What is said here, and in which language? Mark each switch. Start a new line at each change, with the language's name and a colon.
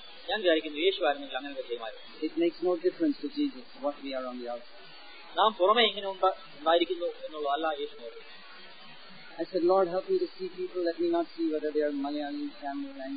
Malayalam: ഞാൻ വിചാരിക്കുന്നു, യേശു ആയിരുന്നെങ്കിൽ അങ്ങനെ ചെയ്യുമായിരുന്നു.
English: It makes no difference to Jesus what we are on the outside.
Malayalam: നാം പുറമെ എങ്ങനെ ഉണ്ടായിരിക്കുന്നു എന്നുള്ള അല്ല യേശു.
English: I said, Lord, help me to see people. Let me not see whether they are Malayali, Tamil,